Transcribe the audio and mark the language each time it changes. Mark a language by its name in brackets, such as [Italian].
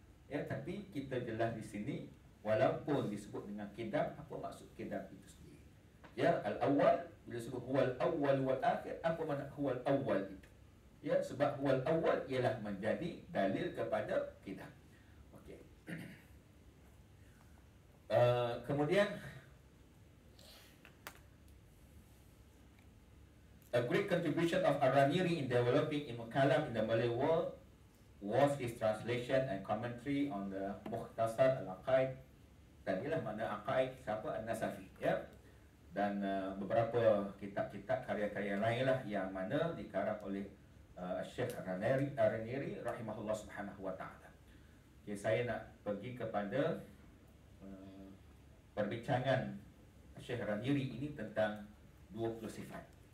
[Malay] Ya, tapi kita jelas di sini, walaupun disebut dengan kitab, apa maksud kitab itu sendiri? Ya, al-awwal, bila sebut [Arabic] huwal awwal wal akhir, [Malay] apa makna huwal awwal itu? Ya, sebab huwal awwal ialah menjadi dalil kepada kitab. Okey. [English] Kemudian a great contribution of Araniri in developing Ibn Kalam in the Malay world was his translation and commentary on the Mukhtasar al-Aqaid. [Malay] Dan ialah mana Aqaid siapa? An-Nasafi, ya. Dan beberapa kitab-kitab, karya-karya lain lah yang mana dikarang oleh Syekh Araniri rahimahullah [Arabic] subhanahu wa ta'ala. [Malay] Okay, saya nak pergi kepada perbincangan Syekh Araniri ini tentang 20 sifat.